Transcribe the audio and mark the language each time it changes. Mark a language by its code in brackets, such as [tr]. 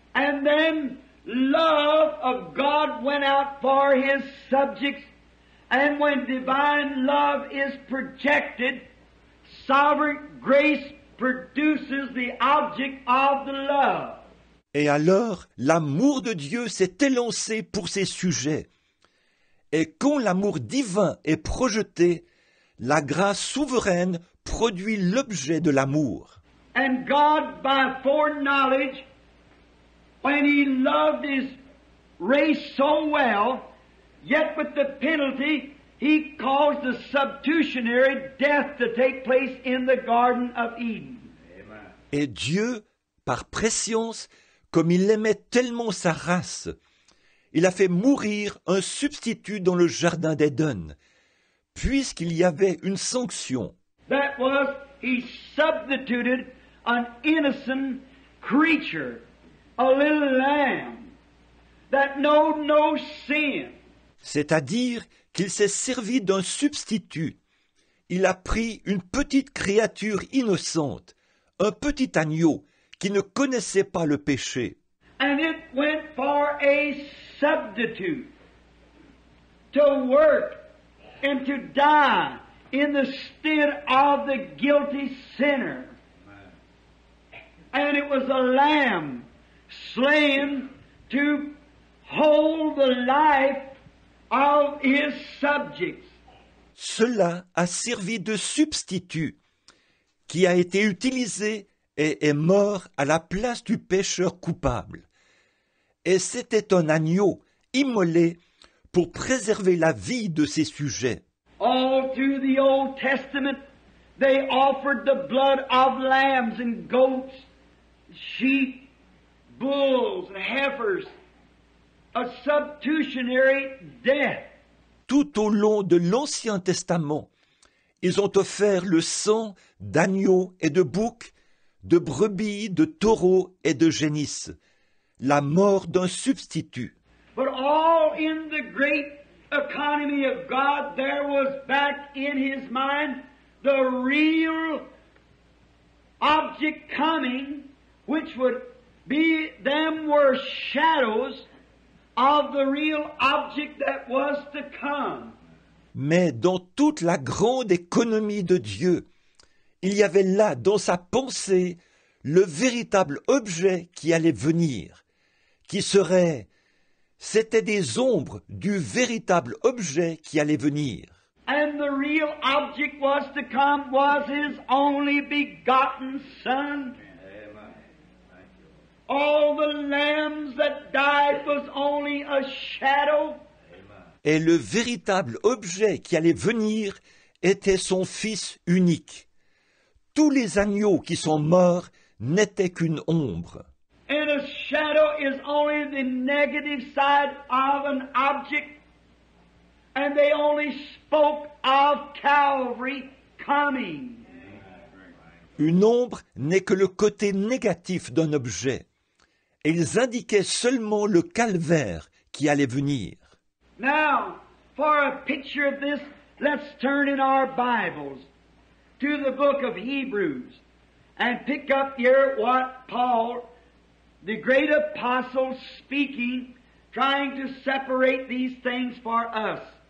[en] And then love of God went out for his subjects, and when divine love is projected, sovereign grace produces the object of the love. [fr] Et alors, l'amour de Dieu s'est élancé pour ses sujets. Et quand l'amour divin est projeté, la grâce souveraine produit l'objet de l'amour. [en] And God, by foreknowledge, when he loved his race so well, yet with the penalty, he caused the substitutionary death to take place in the Garden of Eden. Amen. [fr] Et Dieu, par prescience, comme il aimait tellement sa race, il a fait mourir un substitut dans le jardin d'Éden, puisqu'il y avait une sanction. [en] That was, he substituted an innocent creature, a little lamb, that knowed no sin. [fr] C'est-à-dire qu'il s'est servi d'un substitut. Il a pris une petite créature innocente, un petit agneau, qui ne connaissait pas le péché. [en] And it went for a substitute to work and to die in the stead of the guilty sinner. And it was a lamb slain to hold the life of his subjects. [fr] Cela a servi de substitut qui a été utilisé et est mort à la place du pécheur coupable. Et c'était un agneau immolé pour préserver la vie de ses sujets. [en] All through the Old Testament, they offered the blood of lambs and goats, sheep, bulls and heifers, a substitutionary death. [fr] Tout au long de l'Ancien Testament, ils ont offert le sang d'agneaux et de boucs, de brebis, de taureaux et de génisses, la mort d'un substitut. [en] But all in the great economy of God, there was back in his mind the real object coming, which would be them were shadows of the real object that was to come. [fr] Mais dans toute la grande économie de Dieu, il y avait là, dans sa pensée, le véritable objet qui allait venir, qui serait, c'était des ombres du véritable objet qui allait venir. [en] And the real object was to come was his only begotten son. All the lambs that died was only a shadow. [fr] Et le véritable objet qui allait venir était son fils unique. Tous les agneaux qui sont morts n'étaient qu'une ombre. [en] And a shadow is only the negative side of an object. And they only spoke of Calvary coming. [fr] Une ombre n'est que le côté négatif d'un objet. Et ils indiquaient seulement le calvaire qui allait venir. [en] Now, for a picture of this, let's turn in our Bibles to the book of Hebrews, and pick up here what Paul, the great apostle, speaking, trying to separate these things for us.